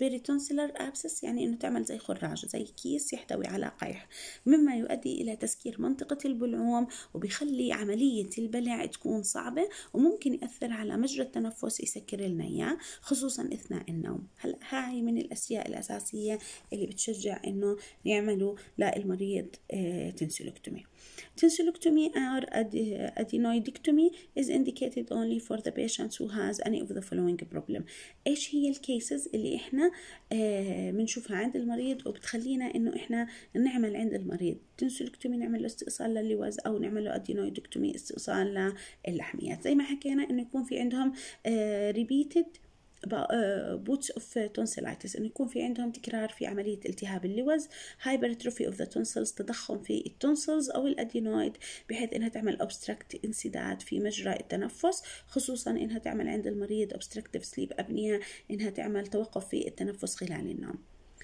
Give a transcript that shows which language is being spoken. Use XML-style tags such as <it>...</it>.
<en>peritonsillar abscess</en> <ar>يعني إنه تعمل زي خراج زي كيس يحتوي على قيح، مما يؤدي إلى تسكير منطقة البلعوم وبيخلي عملية البلع تكون صعبة وممكن يأثر على مجرى التنفس يسكر لنا إياه خصوصا أثناء النوم. هلا هاي من الأشياء الأساسية اللي بتشجع إنه يعملوا للمريض تونسيلكتومي.</ar> <en>Tonsillectomy or adenoidectomy is indicated only for the patients who has any of the following problem.</en> <ar>إيش هي الكيسز اللي إحنا منشوفها عند المريض وبتخلينا إنه إحنا نعمل عند المريض tonsillectomy، نعمل له استئصال لللوز أو نعمله adenoidectomy استئصال للحميات. زي ما حكينا إنه يكون في عندهم repeated</ar> <en>bouts of tonsillitis,</en> <ar>انه يكون في عندهم تكرار في عمليه التهاب اللوز،</ar> <en>hypertrophy of the tonsils</en> <ar>تضخم في التونسلز او الادينويد بحيث انها تعمل ابستراكت انسداد في مجرى التنفس خصوصا انها تعمل عند المريض</ar> <en>obstructive sleep apnoea,</en> <ar>انها تعمل توقف في التنفس خلال النوم.</ar>